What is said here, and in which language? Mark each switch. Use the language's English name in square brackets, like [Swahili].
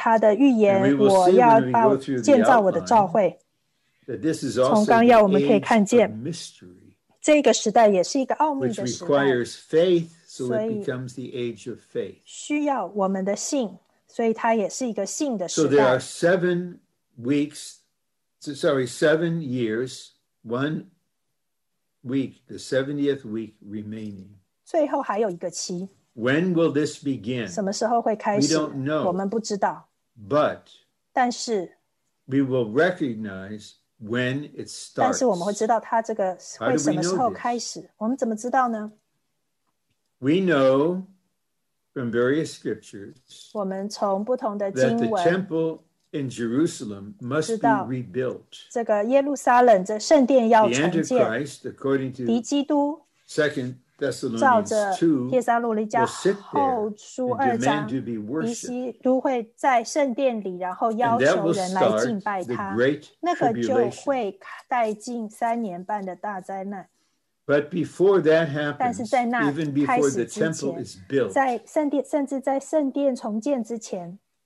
[Chinese] 这个时代主要应验他的预言，我要建造我的教会。从刚要我们可以看见，这个时代也是一个奥秘的时代，所以需要我们的信，所以它也是一个信的时代。 [English] So there are seven years, 1 week, the 70th week remaining. [Chinese] 最后还有一个期。 [English] When will this begin? [Chinese] 什么时候会开始？ [English] We don't know. [Chinese] 我们不知道。 [English] But, [Chinese] 但是 [English] we will recognize when it starts. [Chinese] 但是我们会知道它这个会什么时候开始。我们怎么知道呢？ [English] We know from various scriptures [Chinese] 我们从不同的经文 [English] that the temple in Jerusalem must be rebuilt. [Chinese] 这个耶路撒冷这圣殿要重建。 [English] The Antichrist, according to [Chinese] 敌基督 [English] 2nd Thessalonians 2, will sit there and demand to be worshipped. [Chinese] 敌基督会在圣殿里，然后要求人来敬拜他。那个就会带进三年半的大灾难。 [English] But before that happens, [Chinese] 但是在那开始之前, [English] even before the temple is built, [Chinese] 在圣殿, 甚至在圣殿重建之前,